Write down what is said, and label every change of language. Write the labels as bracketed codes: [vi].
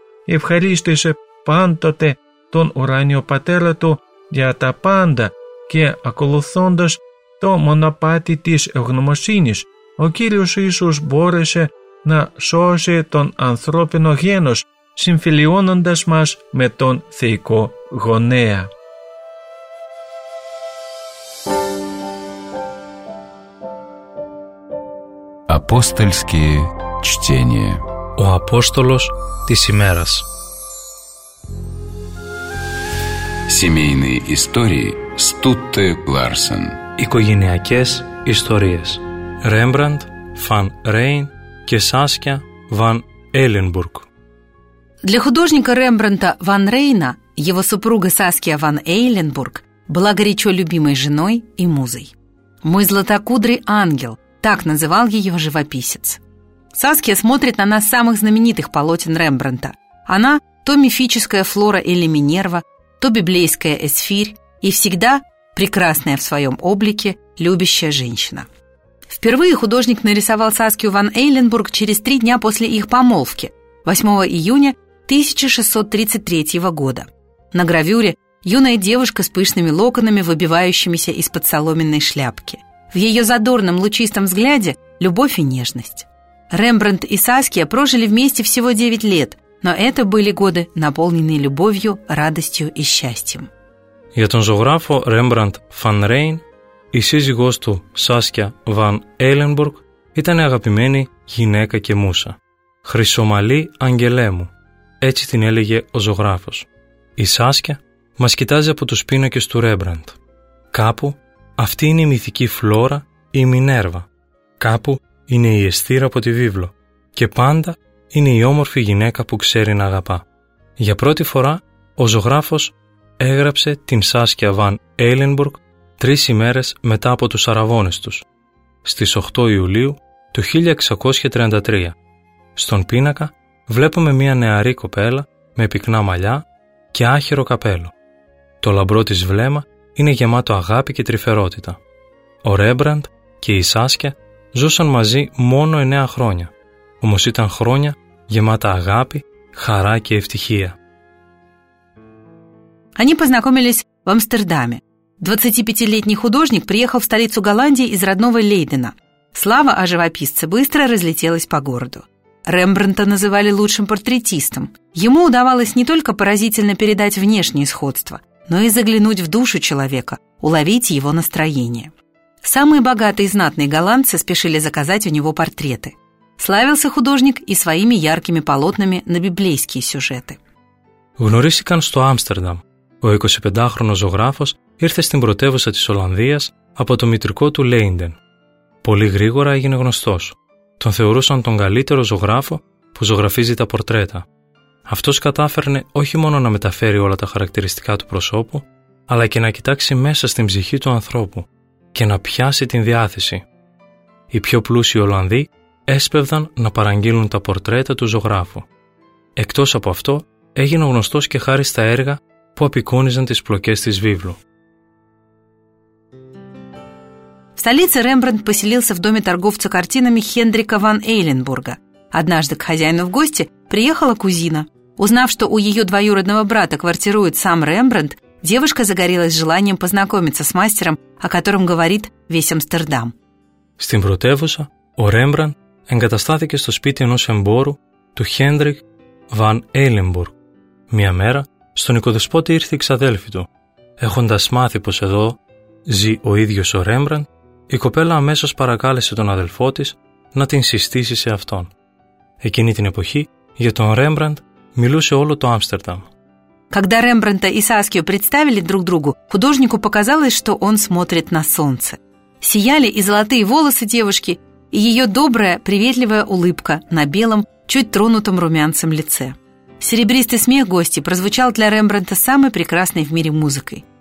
[el] Ευχαρίστησε πάντοτε τον ουράνιο πατέρα του για τα πάντα και ακολουθώντας το μονοπάτι της ευγνωμοσύνης, ο Κύριος Ιησούς μπόρεσε να σώσει τον ανθρώπινο γένος, συμφιλιώνοντας μας με τον θεϊκό γονέα. [ru] Апостольские чтения. [el] Ο Апостолος της ημέρας. [ru] Семейные истории Стутте Ларсен. [el] Οικογενειακές ιστορίες. Ρέμπραντ Φαν Ρέιν και Σάσκια Βαν Έλενμπουργκ. [ru] Для художника Рембрандта Ван Рейна его супруга Саския Ван Эйленбург была горячо любимой женой и музой. «Мой златокудрый ангел» – так называл ее живописец. Саския смотрит на нас с самых знаменитых полотен Рембрандта. Она – то мифическая Флора или Минерва, то библейская Эсфирь и всегда прекрасная в своем облике любящая женщина. Впервые художник нарисовал Саскию Ван Эйленбург через три дня после их помолвки, 8 июня 1633 года. На гравюре юная девушка с пышными локонами, выбивающимися из-под соломенной шляпки. В ее задорном лучистом взгляде любовь и нежность. Рембрандт и Саския прожили вместе всего 9 лет, но это были годы, наполненные любовью, радостью и счастьем. [el] Για τον ζωγράφο Рембрандт Φαν Ρέιν, η σύζυγός του Σάσκια Βαν Έλενμπουργκ ήταν αγαπημένη γυναίκα και μούσα. Χρυσομαλή αγγελέ μου, έτσι την έλεγε ο ζωγράφος. Η Σάσκια μας κοιτάζει από τους πίνακες του Ρέμπραντ. Κάπου αυτή είναι η μυθική Φλόρα, η Μινέρβα. Κάπου είναι η Εσθήρα από τη Βίβλο. Και πάντα είναι η όμορφη γυναίκα που ξέρει να αγαπά. Για πρώτη φορά ο ζωγράφος έγραψε την Σάσκια Βαν Έλενμπουργκ τρεις ημέρες μετά από τους αραβώνες τους. Στις 8 Ιουλίου του 1633. Στον πίνακα βλέπουμε μια νεαρή κοπέλα με πυκνά μαλλιά και άχυρο καπέλο. Το λαμπρό της βλέμμα είναι γεμάτο αγάπη και τρυφερότητα. Ο Ρέμπραντ και η Σάσκια ζούσαν μαζί μόνο 9 χρόνια, όμως ήταν χρόνια γεμάτα αγάπη, χαρά και ευτυχία. [ru] Они познакомились в Амстердаме. 25-летний художник приехал в столицу Голландии из родного Лейдена. Слава о живописце быстро разлетелась по городу. Рембрандта называли лучшим портретистом. Ему удавалось не только поразительно передать внешние сходства, но и заглянуть в душу человека, уловить его настроение. Самые богатые и знатные голландцы спешили заказать у него портреты. Славился художник и своими яркими полотнами на библейские сюжеты. [el] Γνωρίστηκαν στο Άμστερνταμ. Ο 25χρονος ζωγράφος ήρθε στην πρωτεύουσα της Ολλανδίας από το μητρικό του Λέιντεν. Πολύ γρήγορα έγινε γνωστός. Τον θεωρούσαν τον καλύτερο ζωγράφο που ζωγραφίζει τα πορτρέτα. Αυτός κατάφερνε όχι μόνο να μεταφέρει όλα τα χαρακτηριστικά του προσώπου, αλλά και να κοιτάξει μέσα στην ψυχή του ανθρώπου και να πιάσει την διάθεση. Οι πιο πλούσιοι Ολλανδοί έσπευδαν να παραγγείλουν τα πορτρέτα του ζωγράφου. Εκτός από αυτό, έγινε γνωστός και χάρη στα έργα που απεικόνιζαν τις πλοκές της Βίβλου. [ru] В столице Рембрандт поселился в доме торговца картинами Хендрика ван Эйленбурга. Однажды к хозяину в гости приехала кузина. Узнав, что у ее двоюродного брата квартирует сам Рембрандт, девушка загорелась желанием познакомиться с мастером, о котором говорит весь Амстердам. [el] Στην πρωτεύουσα, ο Рембрандт εγκαταστάθηκε στο σπίτι ενός εμπόρου του Χέντρικ ван Έιλενμπουργκ. Μια μέρα, στον οικοδεσπότη ήρθε η ξαδέλφη του. Έχοντας μάθει πως εδώ ζει ο ίδιος ο Ρέμπραντ, η κοπέλα αμέσως παρακάλεσε τον αδελφό της να την συστήσει σε αυτόν. Εκείνη την εποχή, για τον Ρέμπραντ μιλούσε όλο το Άμστερνταμ. [ru] Когда Рембрандта и Саскию представили друг другу, художнику показалось, что он смотрит на солнце. Сияли и золотые волосы девушки, и ее добрая, приветливая улыбка на белом, чуть тронутом румянцем лице. Серебристый смех гостей прозвучал для Рембрандта самой прекрасной в мире музыкой.